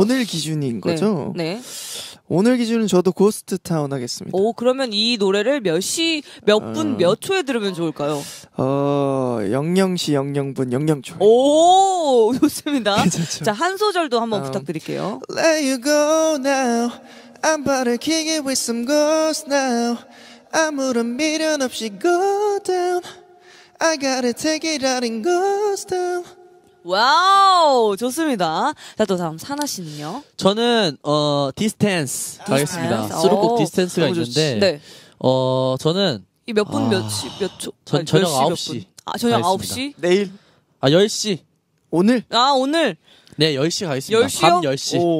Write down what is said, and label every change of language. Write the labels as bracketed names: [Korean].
[Korean] 오늘 기준인 거죠? 네. 네. 오늘 기준은 저도 고스트타운 하겠습니다. 오 그러면 이 노래를 몇 시 몇 분 몇 초에 들으면 좋을까요? 00시 00분 00초. 오 좋습니다. 괜찮죠? 자, 한 소절도 한번 부탁드릴게요. [English] Let you go now. I'm better kicking it with some ghosts now. [Korean] 아무런 미련 없이 go down. [English] I gotta take it out in ghost town. [Korean] 와우 좋습니다. 자, 또 다음 산하 씨는요? 저는 디스탠스 가겠습니다. 수록곡 디스탠스가 있는데 네. 저는 이 몇 분 몇 시 몇 초? 전 저녁 9시. 아, 저녁 9시? 내일. 아, 10시. 오늘. 아, 오늘. 네, 10시 가겠습니다. 밤 10시.